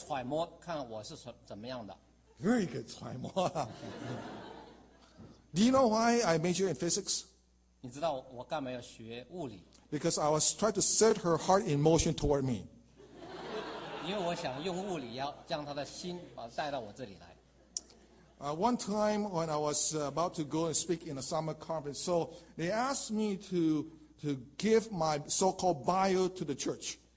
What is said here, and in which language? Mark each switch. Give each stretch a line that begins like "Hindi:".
Chinese: 因为她想要揣摩看我是怎么样的。
English: Very good, 揣摩。 Do you know why I major in physics?
Chinese: 你知道我干嘛要学物理？
English: Because I was trying to set her heart in motion toward me.
Chinese: 因为我想用物理要将她的心带到我这里来。
English: One time when I was about to go and speak in a summer conference, so they asked me to give my so-called bio to the church.